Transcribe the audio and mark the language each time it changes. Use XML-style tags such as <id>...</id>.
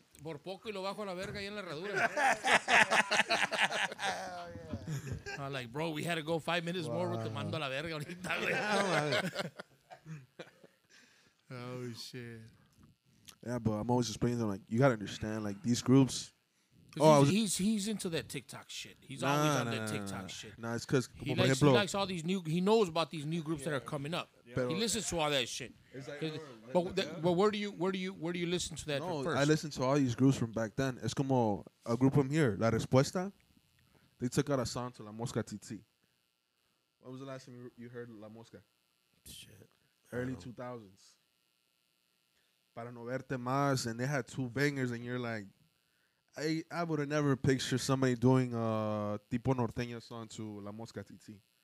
<es>Por poco y lo bajo a la verga y en la herradura.</es> <en>I'm like, bro, we had to go 5 minutes more with the</en> <es>mando a la verga ahorita.</es> <en>Oh, shit. Yeah, but I'm always explaining them, like, you got to understand, like, these groups. He's into that TikTok shit. He's always on that TikTok shit. Nah, it's because,</en> <es>por likes, ejemplo.</es> <en>He likes all these new, he knows about these new groups that are coming up. Yeah. He listens to all that shit. Where do you listen to that first? I listen to all these groups from back then.</en> <es>Es como</es> <en>a group from here, La Respuesta. They took out a song to La Mosca Tsitsi. When was the last time you heard La Mosca? Shit. Early 2000s. Para No Verte Más, and they had two bangers, and you're like, I would have never pictured somebody doing a tipo norteña song to La Mosca Tsitsi.</en>